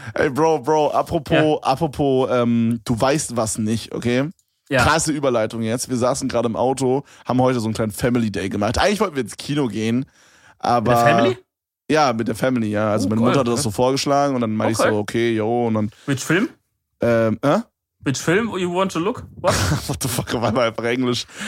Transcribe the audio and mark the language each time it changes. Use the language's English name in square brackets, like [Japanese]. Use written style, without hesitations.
[German] Ey, Bro, apropos, du weißt was nicht, okay? Ja. Krasse Überleitung jetzt. Wir saßen gerade im Auto, haben heute so einen kleinen Family Day gemacht. Eigentlich wollten wir ins Kino gehen, aber... Mit der Family? Ja, mit der Family, ja. Also meine Mutter hat das so vorgeschlagen und dann meinte ich so, okay, yo. Und dann, [English] which film? Which film you want to look? What, what the fuck, [German] war mal einfach Englisch.